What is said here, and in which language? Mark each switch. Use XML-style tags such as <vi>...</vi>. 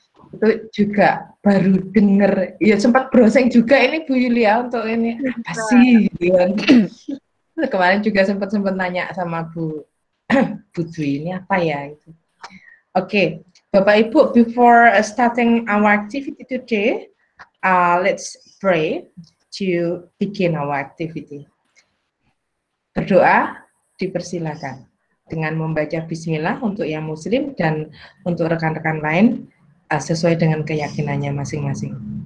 <id>Itu juga baru dengar, ya sempat browsing juga ini Bu Yulia untuk ini apa sih? Kemarin juga sempat nanya sama Bu Budwi ini apa ya itu.</id> <en>Okay, Bapak Ibu, before starting our activity today, let's pray to begin our activity.</en> <id>Berdoa dipersilakan dengan membaca bismillah untuk yang muslim dan untuk rekan-rekan lain sesuai dengan keyakinannya masing-masing.</id>